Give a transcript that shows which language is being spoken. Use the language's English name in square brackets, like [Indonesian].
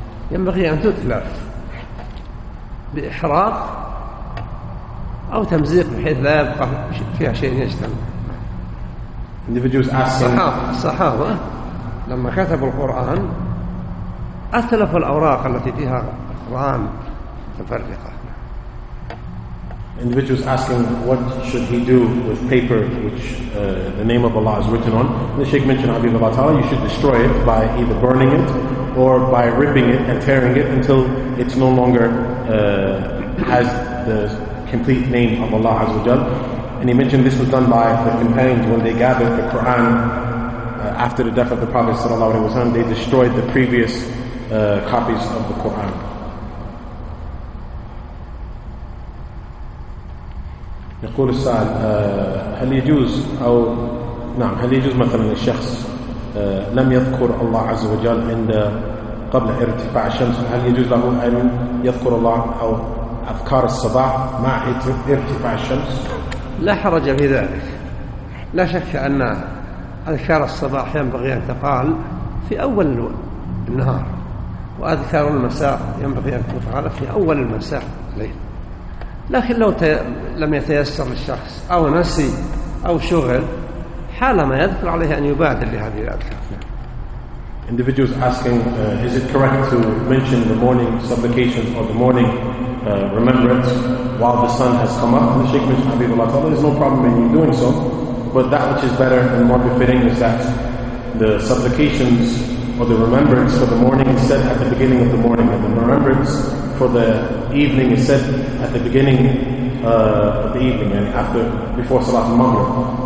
[Arabic] ينبغي أن تتلف بإحراق أو تمزيق بحيث لا يبقى فيها شيء يجتمع. [English] Individuals asking. [Arabic] الصحابة لما كتبوا القرآن أتلفوا الأوراق التي فيها أقران متفرقة. [English] Individuals asking what should he do with paper which the name of Allah is written on. The Sheikh mentioned Habib al-Batala, you should destroy it by either burning it or by ripping it and tearing it until it's no longer has the complete name of Allah Azza wa Jal. And he mentioned this was done by the companions when they gathered the Quran after the death of the Prophet sallallahu alaihi wasallam. They destroyed the previous copies of the Quran. [Arabic] يقول السائل هل يجوز أو نعم هل يجوز مثلا الشخص لم يذكر الله عز وجل عند قبل ارتفاع الشمس، هل يجوز له أن يذكر الله أو أذكار الصباح مع ارتفاع الشمس؟ لا حرج في ذلك، لا شك أن أذكار الصباح ينبغي أن تقال في أول النهار، وأذكار المساء ينبغي أن تقال في أول المساء الليل. لكن لو لم يتيسر للشخص أو نسي أو شغل، حالما يذكر عليه أن يبادر لهذه الأذكار. [English] Individuals asking, is it correct to mention the morning supplications or the morning remembrance while the sun has come up? And the Sheikh mentioned Habib al-Atala, there's no problem in you doing so, but that which is better and more befitting is that the supplications or the remembrance for the morning is said at the beginning of the morning, and the remembrance for the evening is said at the beginning of the evening and after, before Salat al-Maghrib.